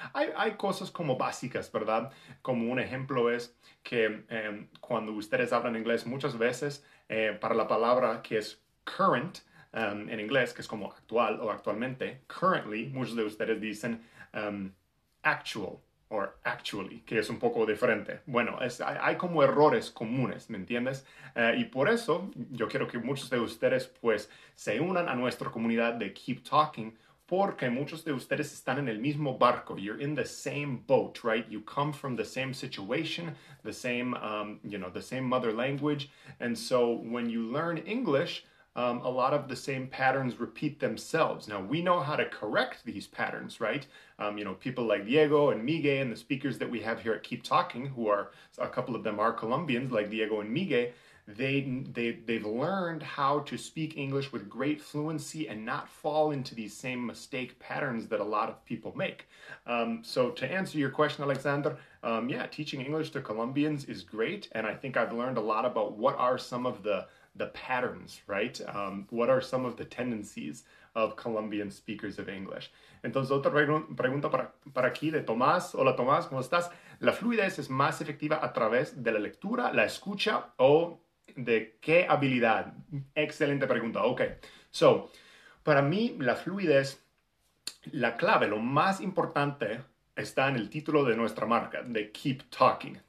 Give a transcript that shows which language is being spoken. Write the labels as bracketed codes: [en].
[es] Hay cosas como básicas, ¿verdad? Como un ejemplo es que cuando ustedes hablan inglés, muchas veces, para la palabra que es current, en inglés, que es como actual o actualmente, currently, muchos de ustedes dicen actual o actually, que es un poco diferente. Bueno, hay como errores comunes, ¿me entiendes? Y por eso yo quiero que muchos de ustedes pues se unan a nuestra comunidad de Keep Talking, porque muchos de ustedes están en el mismo barco. [en] You're in the same boat, right? You come from the same situation, the same, the same mother language. And so when you learn English, a lot of the same patterns repeat themselves. Now, we know how to correct these patterns, right? People like Diego and Miguel and the speakers that we have here at Keep Talking, who are a couple of them are Colombians, like Diego and Miguel, they've learned how to speak English with great fluency and not fall into these same mistake patterns that a lot of people make. So to answer your question, Alexander, teaching English to Colombians is great, and I think I've learned a lot about what are some of the patterns, right? What are some of the tendencies of Colombian speakers of English? [es] Entonces, otra pregunta para aquí de Tomás. Hola, Tomás, ¿cómo estás? ¿La fluidez es más efectiva a través de la lectura, la escucha o de qué habilidad? Excelente pregunta. Ok. So, para mí, la fluidez, la clave, lo más importante está en el título de nuestra marca, de Keep Talking.